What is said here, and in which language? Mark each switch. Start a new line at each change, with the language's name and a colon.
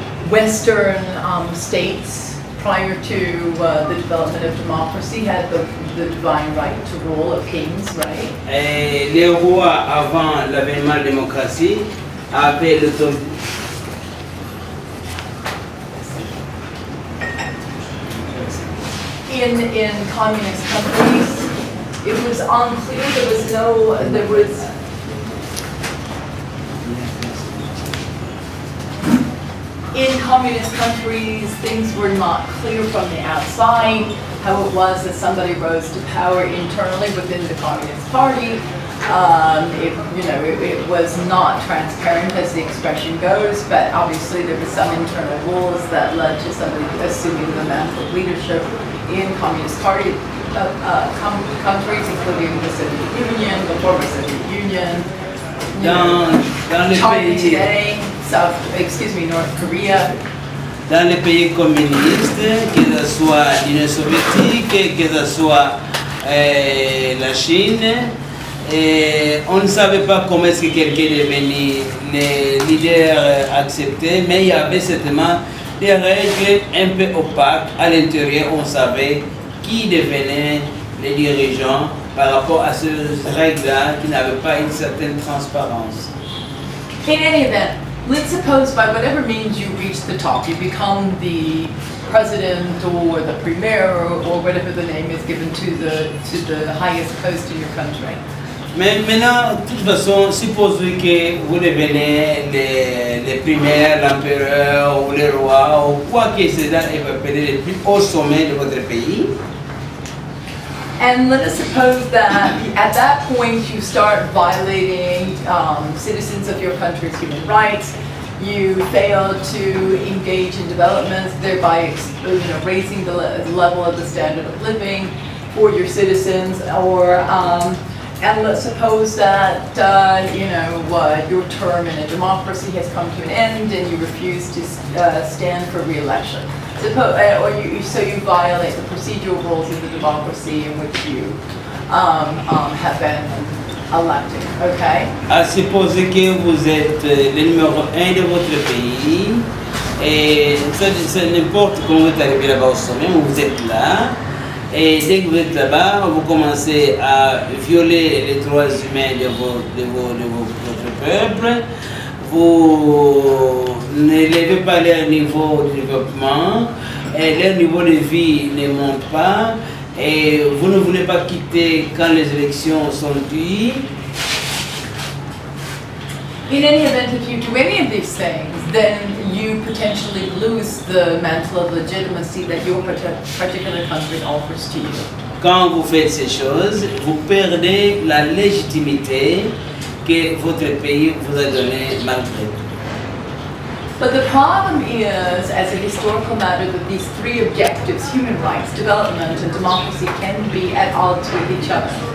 English: Western states prior to the development of democracy had the divine right to rule of kings, right?
French: Et les rois avant l'avènement de la démocratie avaient le don.
English: In communist countries, it was unclear. In communist countries, things were not clear from the outside. How it was that somebody rose to power internally within the communist party. It was not transparent, as the expression goes. But obviously, there were some internal rules that led to somebody assuming the mantle of leadership in communist party countries, including the Soviet Union, the former Soviet Union, North Korea.
French: Dans les pays communistes, que ce soit l'Union soviétique, que ce soit la Chine, et on ne savait pas comment est-ce que quelqu'un est venu le leader accepté, mais il y avait certainement des règles un peu opaques. À l'intérieur, on savait qui devenait les dirigeants par rapport à ces règles-là qui n'avaient pas une certaine transparence.
English: In any event, let's suppose by whatever means you reach the top, you become the president or the premier or whatever the name is given to the highest post in your country.
French: Mais maintenant, de toute façon, supposons que vous devenez le premier, l'empereur ou le roi ou quoi que ce soit, et vous prenez le plus haut sommet de votre pays.
English: And let us suppose that at that point you start violating citizens of your country's human rights. You fail to engage in developments, thereby raising the level of the standard of living for your citizens. And let's suppose that your term in a democracy has come to an end, and you refuse to stand for re-election. So you violate the procedural rules of the democracy in which you have been elected. Okay.
French: À supposer que vous êtes le numéro un de votre pays, et ça n'importe comment vous êtes arrivé là-bas au sommet, vous êtes là. Et dès que vous êtes là-bas, vous commencez à violer les droits humains de votre peuple. Vous n'élevez pas leur niveau de développement. Et leur niveau de vie ne monte pas. Et vous ne voulez pas quitter quand les élections sont dues.
English: In any event, if you do any of these things, then you potentially lose the mantle of legitimacy that your particular country offers to you.
French: Quand vous faites ces choses, vous perdez la légitimité que votre pays vous a donné malgré.
English: But the problem is, as a historical matter, that these three objectives, human rights, development, and democracy, can be at odds with each other.